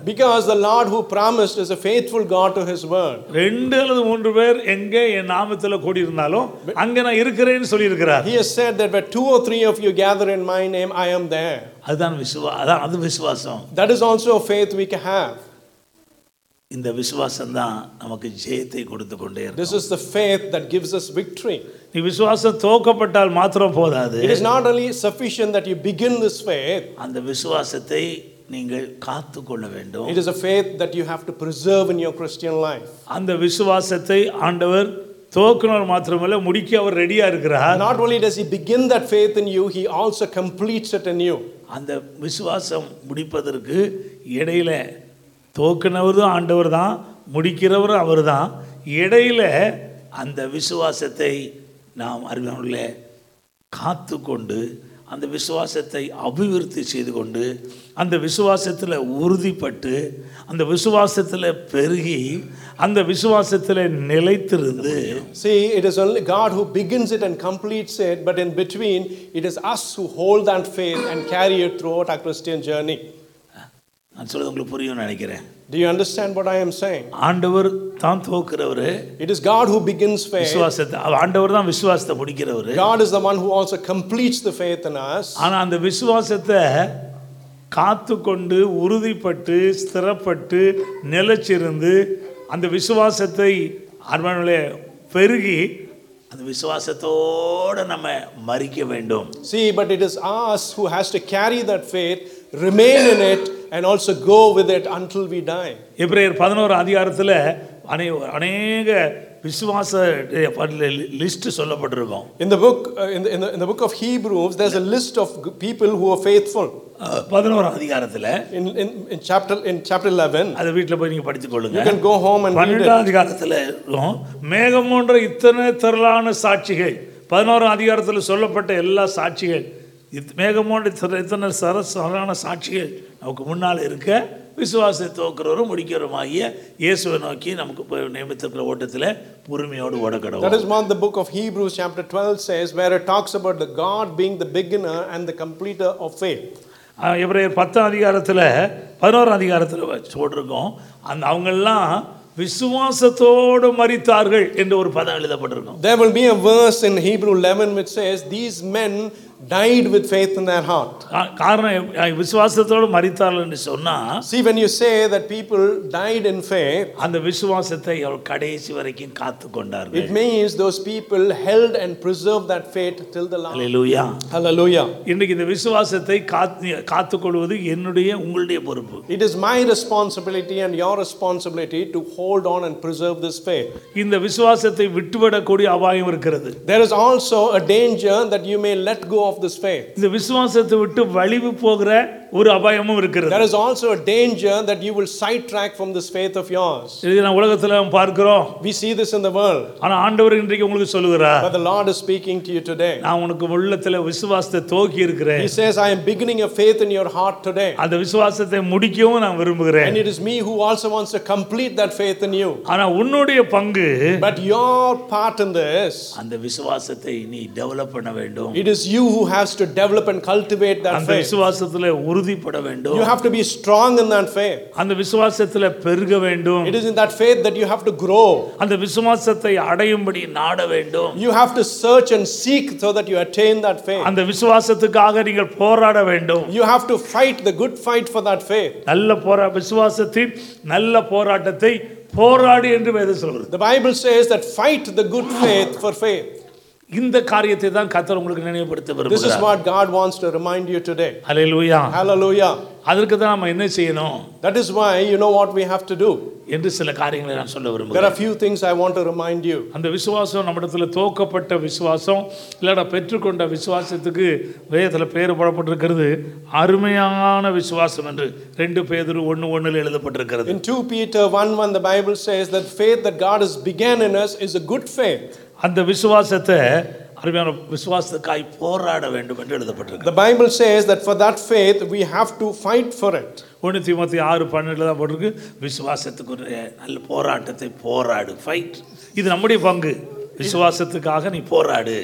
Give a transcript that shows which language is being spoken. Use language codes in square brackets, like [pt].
[en] Because the Lord who promised is a faithful God to his word. [ta] ரெண்டு அல்லது மூன்று பேர் எங்கே என் நாமத்தில் கூடி இருந்தாலும் அங்கே நான் இருக்கிறேன்னு சொல்லியிருக்கிறார். [en] He has said that where two or three of you gather in my name, I am there. [ta] அதுதான் விசுவாசம். அது விசுவாசம். [en] That is also a faith we can have. [ta] இந்த விசுவாசம் தான் நமக்கு ஜெயத்தை கொடுத்து கொண்டே இருக்கும். [en] This is the faith that gives us victory. [ta] நீ விசுவாசம் தோக்கப்பட்டால் மாத்திரம் போதாது. [en] It is not only sufficient that you begin this faith. [ta] அந்த விசுவாசத்தை நீங்கள் காத்து கொள்ள வேண்டும். [en] It is a faith that you have to preserve in your Christian life. [ta] அந்த விசுவாசத்தை ஆண்டவர் தோக்கினால் மாத்திரமல்ல முடிக்க அவர் ரெடியா இருக்கிறார். [en] Not only does he begin that faith in you, he also completes it in you. [ta] அந்த விசுவாசம் முடிப்பதற்கு இடையில தோக்கினவரும் ஆண்டவர் தான், முடிக்கிறவரும் அவர் தான். இடையில அந்த விசுவாசத்தை நாம் அறிவுள்ள காத்து கொண்டு அந்த விசுவாசத்தை அபிவிருத்தி செய்து கொண்டு அந்த விசுவாசத்தில் உறுதிப்பட்டு அந்த விசுவாசத்தில் பெருகி அந்த விசுவாசத்தில் நிலைத்திருந்து. [en] See, it is only God who begins it and completes it, but in between, it is us who hold that faith and carry it throughout our Christian journey. [ta] நான் சொல்றது உங்களுக்கு புரியும் நினைக்கிறேன். [en] Do you understand what I am saying? [ta] ஆண்டவர் தான் தோக்குறவர். [en] It is God who begins faith. [ta] விசுவாசத்தை ஆண்டவர் தான் விசுவாசத்தை முடிக்கிறவர். [en] God is the one who also completes the faith in us. [ta] ஆனா அந்த விசுவாசத்தை காத்து கொண்டு உறுதிப்பட்டு ஸ்திரப்பட்டு நிலைச்சிருந்து அந்த விசுவாசத்தை அன்பனிலே பெருகி அந்த விசுவாசத்தோட நம்ம மரிக்க வேண்டும். [en] See, but it is us who has to carry that faith, remain in it, and also go with it until we die. [ta] எபிரேயர் 11 அதிகாரத்திலே அநேக விசுவாச list சொல்லப்பட்டிருக்கும். [en] In the book in the book of Hebrews there's a list of people who are faithful. [ta] 11 அதிகாரத்திலே [en] in chapter 11 [ta] அதை வீட்ல போய் நீங்க படித்து கொள்ளுங்க. [en] You can go home and read it. [ta] 12 அதிகாரத்திலே மேகம் போன்ற இத்தனை திரளான சாட்சிகள், 11 அதிகாரத்தில் சொல்லப்பட்ட எல்லா சாட்சிகள், சாட்சிகள் நமக்கு முன்னால் இருக்க விசுவாசத்தை தோக்குறவரும் முடிக்கிறவரும் ஆகிய இயேசுவை நோக்கி நமக்கு நியமித்திருக்கிற ஓட்டத்தில் பொறுமையோடு ஓடக்கடவும். [en] That is what the book of Hebrews chapter 12 says, where it talks about the God being the beginner and the completer of faith. [ta] எபிரேயர் 10 அதிகாரத்தில் 11 அதிகாரத்தில் சொல்றோம் அந்த அவங்கெல்லாம் விசுவாசத்தோடு மரித்தார்கள் என்று ஒரு பதம் எழுதப்பட்டிருக்கும். [en] There will be a verse in Hebrews 11 which says these men died with faith in their heart. [ta] காரணம் விசுவாசத்தோடு மரித்தார்கள் என்று சொன்னா, [en] see when you say that people died in faith, [ta] அந்த விசுவாசத்தை அவர் கடைசி வரைக்கும் காத்து கொண்டார்கள். [en] It means those people held and preserved that faith till the last. Hallelujah. Hallelujah. [ta] இன்னைக்கு இந்த விசுவாசத்தை காத்து கொள்வது என்னுடைய உங்களுடைய பொறுப்பு. [en] It is my responsibility and your responsibility to hold on and preserve this faith. [ta] இந்த விசுவாசத்தை விட்டுவிடக்கூடிய அபாயம் இருக்கிறது. [en] There is also a danger that you may let go of this faith. [ta] இந்த விசுவாசத்தை விட்டு வழிவு போகிற ஒரு அபாயமும் இருக்கிறது. [en] There is also a danger that you will sidetrack from this faith of yours. [ta] இது நம்ம உலகத்துல பார்க்கிறோம். [en] We see this in the world. [ta] ஆனா ஆண்டவர் இன்றைக்கு உங்களுக்கு சொல்கிறார். [en] But the Lord is speaking to you today. [ta] நான் உங்களுக்கு உள்ளத்துல விசுவாசத்தை தோக்கி இருக்கிறேன். [en] He says I am beginning a faith in your heart today. [ta] அந்த விசுவாசத்தை முடிக்கவும் நான் விரும்புகிறேன். [en] And it is me who also wants to complete that faith in you. [ta] ஆனா உன்னுடைய பங்கு, [en] but your part in this, [ta] அந்த விசுவாசத்தை நீ டெவலப் பண்ண வேண்டும். [en] It is you who has to develop and cultivate that faith. [ta] அந்த விசுவாசத்துல உறுதிப்பட வேண்டும். [en] You have to be strong in that faith. [ta] அந்த விசுவாசத்துல பெருக வேண்டும். [en] It is in that faith that you have to grow. [ta] அந்த விசுவாசத்தை அடையும்படி நாட வேண்டும். [en] You have to search and seek so that you attain that faith. [ta] அந்த விசுவாசத்துக்காக நீங்கள் போராட வேண்டும். [en] You have to fight the good fight for that faith. [ta] நல்ல போரா விசுவாசத்தின் நல்ல போராட்டத்தை போராடு என்று வேதம் சொல்கிறது. [en] The Bible says that fight the good faith for faith. [ta] இந்த காரியத்தை தான் கர்த்தர் உங்களுக்கு நினைவுபடுத்த விரும்புகிறார். [en] This is what God wants to remind you today. Hallelujah. Hallelujah. [ta] அதற்கு தான் நாம என்ன செய்யணும்? [en] That is why you know what we have to do. [ta] என்று சில காரியங்களை நான் சொல்ல விரும்புகிறேன். [en] There are few things I want to remind you. [ta] அந்த விசுவாசம் நம்மிடத்தில் தோக்கப்பட்ட விசுவாசம் இல்லட பெற்றுக்கொண்ட விசுவாசத்துக்கு வேதத்தில் பேர் போடப்பட்டிருக்கிறது அருமையான விசுவாசம் என்று 2 பேதுரு 1:1 எழுதப்பட்டிருக்கிறது. [en] In 2 Peter 1:1 the Bible says that faith that God has began in us is a good faith. [ta] அந்த விசுவாசத்தை அருமையான விசுவாசத்துக்காய் போராட வேண்டும் என்று எழுதப்பட்டிருக்கு. [en] The Bible says that for that faith we have to fight for it. [ta] 1 Timothy 6:12 தான் போட்டிருக்கு, விசுவாசத்துக்கு நல்ல போராட்டத்தை போராடு, ஃபைட். இது நம்முடைய பங்கு, விசுவாசத்துக்காக நீ போராடு.